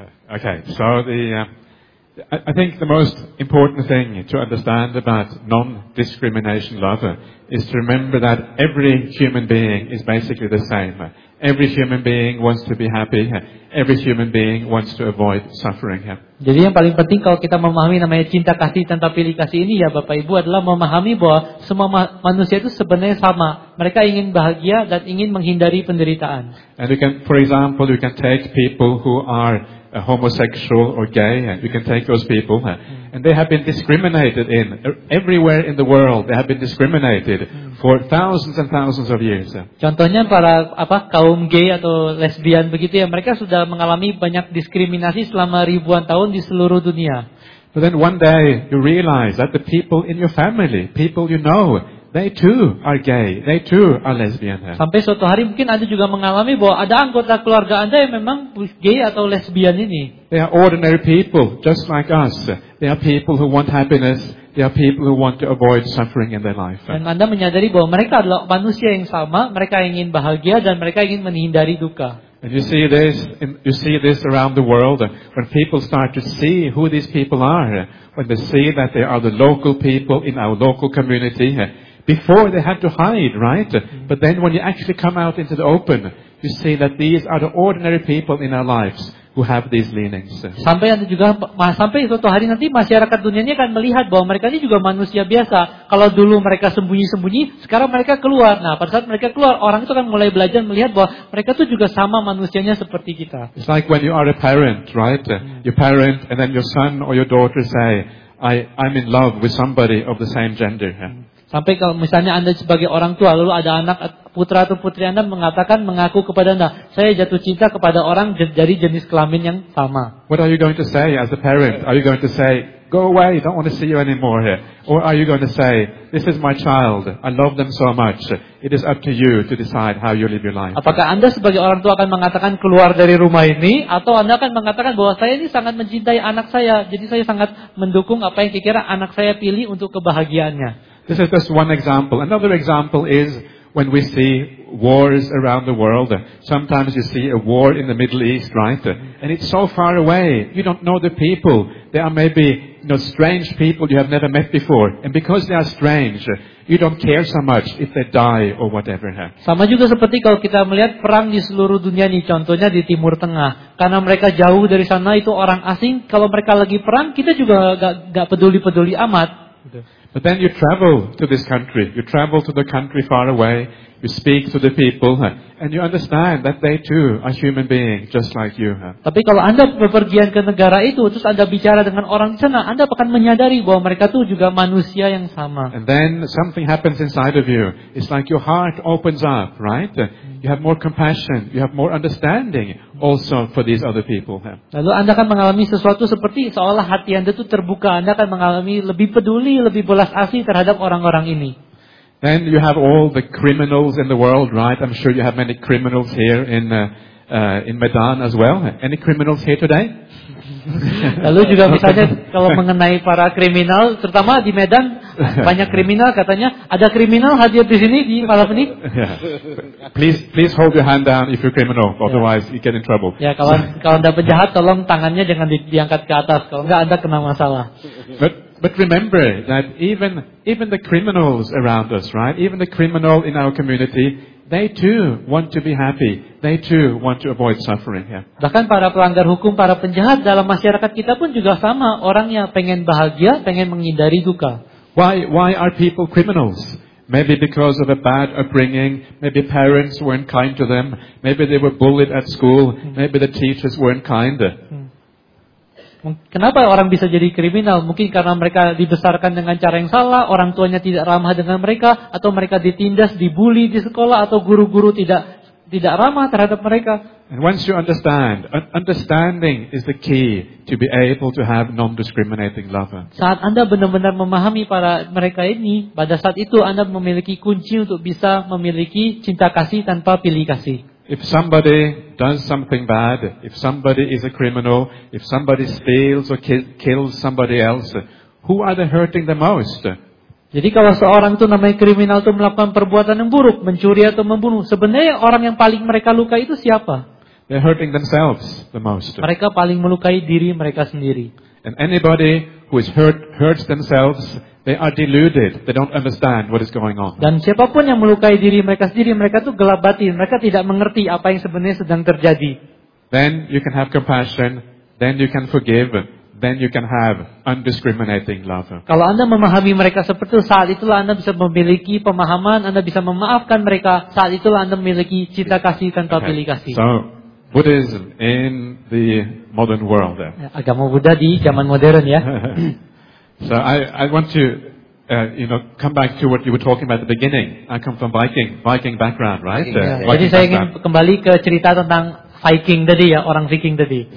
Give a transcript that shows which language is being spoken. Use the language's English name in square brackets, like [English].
[English] Okay, so I think the most important thing to understand about non-discrimination love is to remember that every human being is basically the same. Every human being wants to be happy. Every human being wants to avoid suffering. [Indonesian] Jadi yang paling penting kalau kita memahami namanya cinta kasih tanpa pilih kasih ini ya Bapak Ibu adalah memahami bahwa semua manusia itu sebenarnya sama. Mereka ingin bahagia dan ingin menghindari penderitaan. [English] And we can, for example, we can take people who are homosexual or gay, and you can take those people, and they have been discriminated in everywhere in the world. They have been discriminated for thousands and thousands of years. [Indonesian] Contohnya para apa kaum gay atau lesbian begitu ya, mereka sudah mengalami banyak diskriminasi selama ribuan tahun di seluruh dunia. [English] But then one day you realize that the people in your family, people you know, they too are gay. They too are lesbian. [Indonesian] Sampai suatu hari mungkin Anda juga mengalami bahwa ada anggota keluarga Anda yang memang gay atau lesbian ini. [English] They are ordinary people, just like us. They are people who want happiness. They are people who want to avoid suffering in their life. [Indonesian] Dan Anda menyadari bahwa mereka adalah manusia yang sama. Mereka ingin bahagia dan mereka ingin menghindari duka. [English] And you see this around the world when people start to see who these people are, when they see that they are the local people in our local community. Before they had to hide, right? But then when you actually come out into the open, you see that these are the ordinary people in our lives who have these leanings. [Indonesian] Sampai nanti juga, sampai suatu hari nanti masyarakat dunia ini akan melihat bahwa mereka ini juga manusia biasa. Kalau dulu mereka sembunyi-sembunyi, sekarang mereka keluar. Nah, pada saat mereka keluar, orang itu akan mulai belajar melihat bahwa mereka itu juga sama manusianya seperti kita. [English] It's like when you are a parent, right? Your parent and then your son or your daughter say, I'm in love with somebody of the same gender. [Indonesian] Sampai kalau misalnya Anda sebagai orang tua, lalu ada anak putra atau putri Anda mengatakan, mengaku kepada Anda, saya jatuh cinta kepada orang dari jenis kelamin yang sama. [English] What are you going to say as a parent? Are you going to say, go away, don't want to see you anymore here? Or are you going to say, this is my child, I love them so much, it is up to you to decide how you live your life. [Indonesian] Apakah Anda sebagai orang tua akan mengatakan keluar dari rumah ini, atau Anda akan mengatakan bahwa saya ini sangat mencintai anak saya, jadi saya sangat mendukung apa yang kira anak saya pilih untuk kebahagiaannya. [English] This is just one example. Another example is when we see wars around the world. Sometimes you see a war in the Middle East, right? And it's so far away. You don't know the people. They are maybe, you know, strange people you have never met before. And because they are strange, you don't care so much if they die or whatever. [Indonesian] Sama juga seperti kalau kita melihat perang di seluruh dunia nih, contohnya di Timur Tengah. Karena mereka jauh dari sana, itu orang asing. Kalau mereka lagi perang, kita juga gak peduli-peduli amat. [English] But then you travel to this country, you travel to the country far away, you speak to the people, and you understand that they too are human beings just like you. [Indonesian] Tapi kalau Anda bepergian ke negara itu, terus Anda bicara dengan orang di sana, Anda akan menyadari bahwa mereka itu juga manusia yang sama. [English] And then something happens inside of you. It's like your heart opens up, right? You have more compassion, you have more understanding also for these other people. [Indonesian] Lalu Anda akan mengalami sesuatu seperti seolah hati Anda itu terbuka, Anda akan mengalami lebih peduli, lebih belas kasih terhadap orang-orang ini. [English] Then you have all the criminals in the world, right? I'm sure you have many criminals here in Medan as well. Any criminals here today? [Indonesian] Lalu juga misalnya kalau mengenai para kriminal, terutama di Medan, banyak kriminal katanya. Ada kriminal hadir di sini di malam ini? [English] Please hold your hand down if you're criminal, otherwise you get in trouble. [Indonesian] Ya, kalau Anda penjahat, tolong tangannya jangan diangkat ke atas. Kalau enggak Anda kena masalah. [English] But remember that even the criminals around us, right? Even the criminal in our community, they too want to be happy. They too want to avoid suffering. Yeah. [Indonesian] Bahkan para pelanggar hukum, para penjahat dalam masyarakat kita pun juga sama. Orangnya pengen bahagia, pengen menghindari duka. [English] Why are people criminals? Maybe because of a bad upbringing. Maybe parents weren't kind to them. Maybe they were bullied at school. Maybe the teachers weren't kind. [Indonesian] Kenapa orang bisa jadi kriminal? Mungkin karena mereka dibesarkan dengan cara yang salah, orang tuanya tidak ramah dengan mereka, atau mereka ditindas, dibully di sekolah, atau guru-guru tidak ramah terhadap mereka. [English] And once you understand, understanding is the key to be able to have non-discriminating love. [Indonesian] Saat Anda benar-benar memahami para mereka ini, pada saat itu Anda memiliki kunci untuk bisa memiliki cinta kasih tanpa pilih kasih. [English] If somebody does something bad, if somebody is a criminal, if somebody steals or kills somebody else, who are they hurting the most? [Indonesian] Jadi kalau seorang itu namanya kriminal itu melakukan perbuatan yang buruk, mencuri atau membunuh, sebenarnya orang yang paling mereka luka itu siapa? [English] They're hurting themselves the most. [Indonesian] Mereka paling melukai diri mereka sendiri. [English] And anybody who is hurts themselves, they are deluded. They don't understand what is going on. [Indonesian] Dan siapapun yang melukai diri mereka sendiri, mereka tuh gelap batin. Mereka tidak mengerti apa yang sebenarnya sedang terjadi. [English] Then you can have compassion. Then you can forgive. Then you can have undiscriminating love. [Indonesian] Kalau Anda memahami mereka seperti itu, saat itulah Anda bisa memiliki pemahaman. Anda bisa memaafkan mereka. Saat itulah Anda memiliki cinta kasih tanpa pilih kasih. [English] So Buddhism in the modern world. [Indonesian] Agama Buddha di zaman modern, ya. [English] So I want to come back to what you were talking about at the beginning. I come from Viking background, right? [Indonesian] Jadi saya ingin kembali ke cerita tentang Viking tadi, ya, orang Viking tadi.